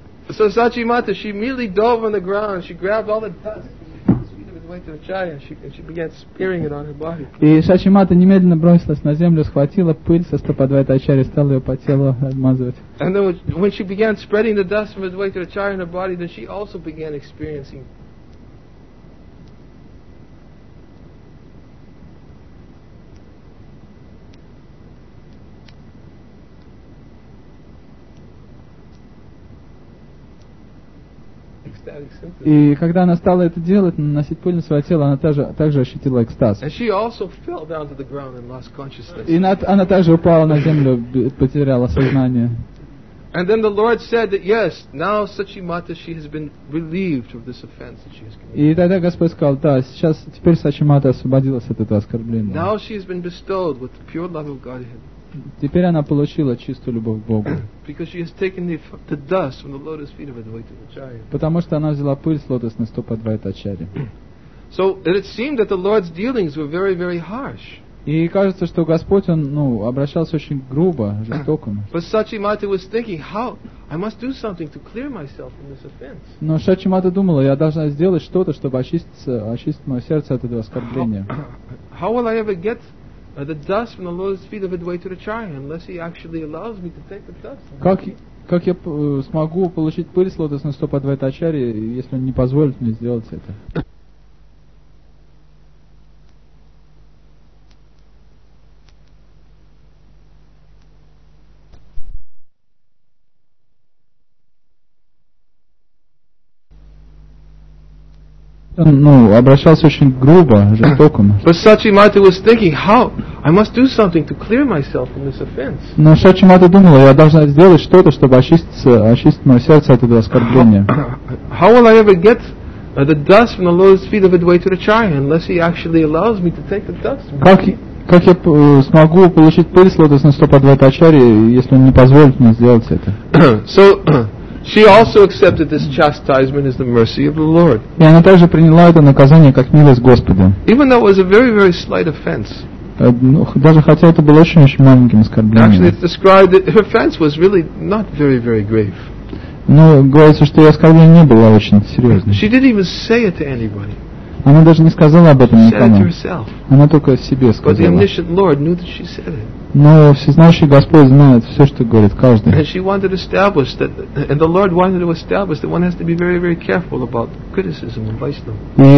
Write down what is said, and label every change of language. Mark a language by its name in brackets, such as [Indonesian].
[English] So Шачи Мата, she immediately dove on the ground, she grabbed all the dust. She began spearing it on her body. [Russian] И Шачи Мата немедленно бросилась на землю, схватила пыль со стоп Адвайта Ачарьи, стала ее по телу размазывать. [English] And then when she began spreading the dust from Advaita Acharya in her body, then she also began experiencing [Russian] И когда она стала это делать, наносить пыль на свое тело, она также ощутила экстаз. И она также упала на землю, потеряла сознание. [English] And then the Lord said that yes, now Сачимата, she has been relieved of this offense that she has committed. [Russian] И тогда Господь сказал, да, сейчас теперь Сачимата освободилась от этого оскорбления. [English] Now she has been bestowed with the pure love of Godhead. [Russian] Теперь она получила чистую любовь к Богу. [English] Because she has taken the dust from the lotus feet of Advaita Acharya. [Russian] Потому что она взяла пыль с лотосных стоп Адвайта Ачарьи. [English] So it seemed that the Lord's dealings were very, very harsh. [Russian] И кажется, что Господь, он, ну, обращался очень грубо, жестоко. [English] But Сачимата was thinking, how I must do something to clear myself from this offense. [Russian] Но Сачимата думала, я должна сделать что-то, чтобы очистить мое сердце от этого оскорбления. [English] How will I ever get the dust from the lotus feet of Advaita Acharya unless he actually allows me to take the dust? [Russian] Как я смогу получить пыль с лотосных стоп Адвайта Ачарьи, если он не позволит мне сделать это? Ну, обращался очень грубо, жестоко. [English] But Сачимата was thinking, how I must do something to clear myself from this offense. [Russian] Но Сачимата думала, я должна сделать что-то, чтобы очистить мое сердце от этого оскорбления. [English] How will I ever get the dust from the lotus feet of Advaita Acharya unless he actually allows me to take the dust? [Russian] Как я смогу получить пыль с лотосных стоп Адвайта Ачарьи, если он не позволит мне сделать это? [English] So she also accepted this chastisement as the mercy of the Lord. [Russian] И она также приняла это наказание как милость Господа. [English] Even though it was a very, very slight offense. [Russian] Даже хотя это было очень-очень маленьким оскорблением. [English] Actually, it's described that her offense was really not very, very grave. [Russian] Но говорится, что ее оскорбление не было очень серьезным. [English] She didn't even say it to anybody. [Russian] Она даже не сказала об этом никому. [English] She said it to herself. [Russian] Она только себе сказала. [English] But the omniscient Lord knew that she said it. [Russian] Но всезнающий Господь знает все, что говорит каждый. [English] And she wanted to establish that, and the Lord wanted to establish that one has to be very, very careful about criticism and vaishnava.